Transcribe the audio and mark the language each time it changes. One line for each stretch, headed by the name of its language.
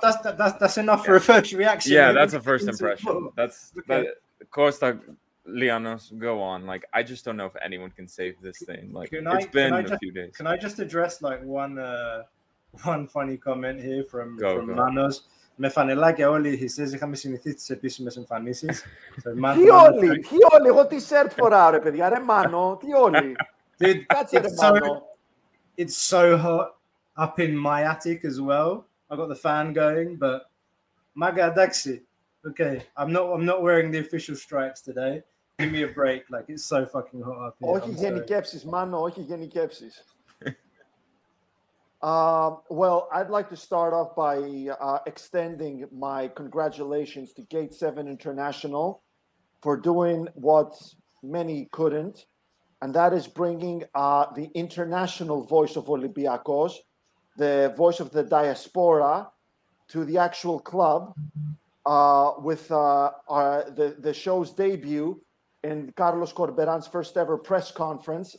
English: That's enough for a first reaction. Yeah, that's a first impression. Costa, Lianos, go on. Like, I just don't know if anyone can save this thing. Like, it's been a few days. Can I just address like one funny comment here from Manos?
Greek: Με φανελάκια όλοι,
English: he says,
Greek: είχαμε συνηθίσει τις επίσημες εμφανίσεις. Τι όλοι, εγώ τι σέρτ φοράω ρε παιδιά, ρε Μάνο, τι όλοι.
English: Dude,
Greek: κάτσε ρε Μάνο.
English: It's so hot up in my attic as well. I got the fan going, but...
Greek: Μάγκα, εντάξει.
English: Okay, I'm not wearing the official stripes today. Give me a break, like it's so fucking hot up here.
Greek: Όχι γενικεύσεις, Μάνο, όχι γενικεύσεις.
English: Well, I'd like to start off by extending my congratulations to Gate 7 International for doing what many couldn't, and that is bringing the international voice of Olympiacos, the voice of the diaspora, to the actual club with the show's debut in Carlos Corberan's first ever press conference.